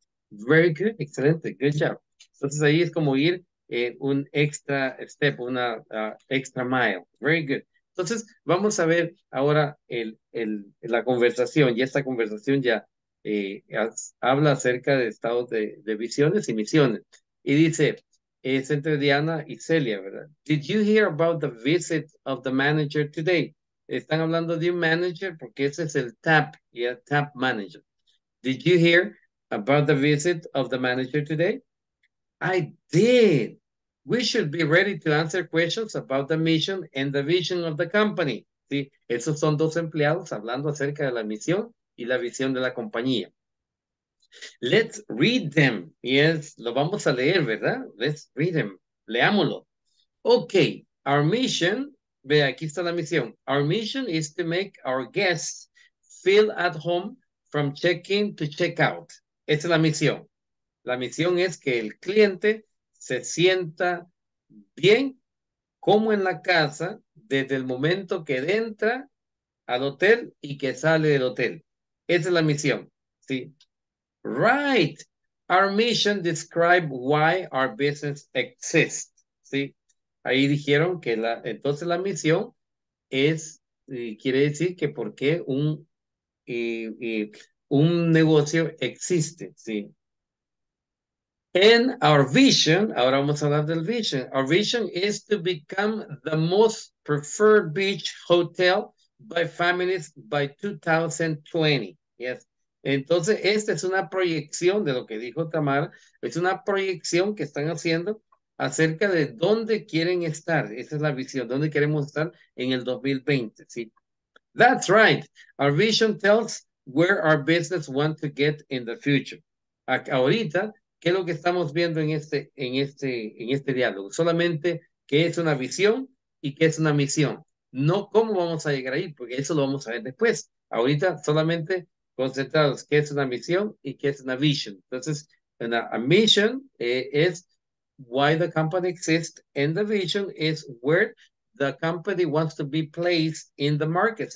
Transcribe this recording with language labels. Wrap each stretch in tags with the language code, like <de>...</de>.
<en>Very good, excelente, good job.</en> <es>Entonces ahí es como ir un</es> <en>extra step, una extra mile. Very good.</en> <es>Entonces vamos a ver ahora la conversación y esta conversación ya habla acerca de estados de visiones y misiones. Y dice, es entre Diana y Celia, ¿verdad?</es> <en>Did you hear about the visit of the manager today?</en> <es>Están hablando de un manager porque ese es el TAP, TAP manager.</es> <en>Did you hear about the visit of the manager today? I did. we should be ready to answer questions about the mission and the vision of the company.</en> <es>¿Sí? Esos son dos empleados hablando acerca de la misión y la visión de la compañía.</es> <en>Let's read them. Yes,</en> <es>lo vamos a leer, ¿verdad?</es> <en>Let's read them.</en> <es>Leámoslo.</es> <en>Okay, our mission,</en> <es>ve, aquí está la misión.</es> <en>Our mission is to make our guests feel at home from check-in to check-out.</en> <es>Esa es la misión. La misión es que el cliente se sienta bien, como en la casa, desde el momento que entra al hotel y que sale del hotel. Esa es la misión, ¿sí?</es> <en>Right. Our mission describes why our business exists,</en> <es>¿sí? Ahí dijeron que la, entonces la misión es, quiere decir que por qué un negocio existe, ¿sí?</es> <en>And our vision,</en> <es>ahora vamos a hablar del vision.</es> <en>Our vision is to become the most preferred beach hotel by families by 2020. Yes.</en> <es>Entonces, esta es una proyección de lo que dijo Tamara. Es una proyección que están haciendo acerca de dónde quieren estar. Esa es la visión, dónde queremos estar en el 2020. ¿Sí?</es> <en>That's right. Our vision tells where our business wants to get in the future.</en> <es>Ahorita, ¿qué es lo que estamos viendo en este diálogo? Solamente qué es una visión y qué es una misión. No cómo vamos a llegar ahí, porque eso lo vamos a ver después. Ahorita solamente concentrados, qué es una misión y qué es una vision. Entonces,</es> <en>a mission is why the company exists, and the vision is where the company wants to be placed in the market.</en>